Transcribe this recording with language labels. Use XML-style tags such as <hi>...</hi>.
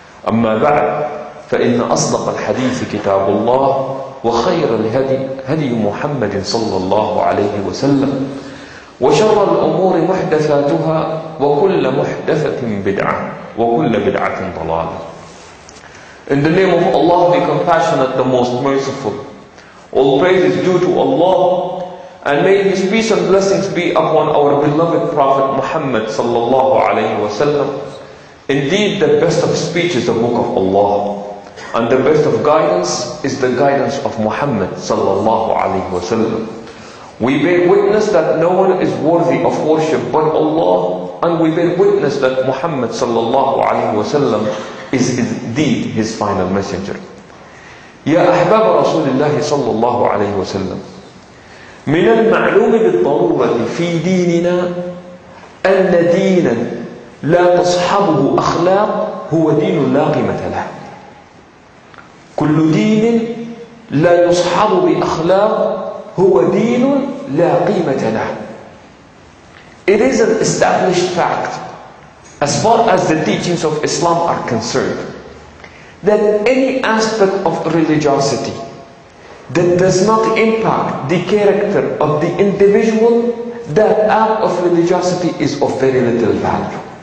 <ar>أما بعد، فإن أصدق الحديث كتاب الله، وخير الهدي هدي محمد صلى الله عليه وسلم، وشر الأمور محدثاتها، وكل محدثة بدعة، وكل بدعة ضلالة.</ar> <en>In the name of Allah, the compassionate, the most merciful. All praise is due to Allah, and may His peace and blessings be upon our beloved Prophet Muhammad sallallahu alayhi wa sallam. Indeed, the best of speech is the book of Allah, and the best of guidance is the guidance of Muhammad sallallahu alayhi wa sallam. We bear witness that no one is worthy of worship but Allah, and we bear witness that Muhammad sallallahu alayhi wa sallam is indeed His final messenger.</en> <ar>Ya ahbab Rasulullah sallallahu alayhi wa sallam, من المعلوم بالضرورة في ديننا أن دينا لا تصحبه أخلاق هو دين لا قيمة له. كل دين لا يصحب بأخلاق هو دين لا قيمة له.</ar> <en>It is an established fact, as far as the teachings of Islam are concerned, that any aspect of religiosity that does not impact the character of the individual, that act of religiosity is of very little value.</en>